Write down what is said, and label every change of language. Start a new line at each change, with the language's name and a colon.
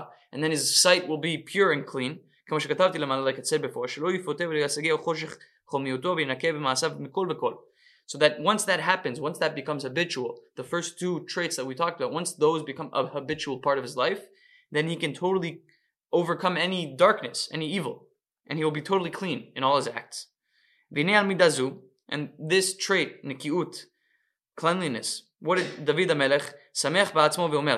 English: And then his sight will be pure and clean.
Hebrew: כמו שכתבתי למעלה,
English: like I said before,
Hebrew: שלא יפותה ולהשגה או חושך חומיותו וינקה במעשיו מכל וכל.
English: So that once that happens, once that becomes habitual, the first two traits that we talked about, once those become a habitual part of his life, then he can totally overcome any darkness, any evil, and he will be totally clean in all his acts.
Hebrew: והנה על מידה זו,
English: and this trait,
Hebrew: נקיות,
English: cleanliness, what did
Hebrew: דוד המלך שמח בעצמו ואומר?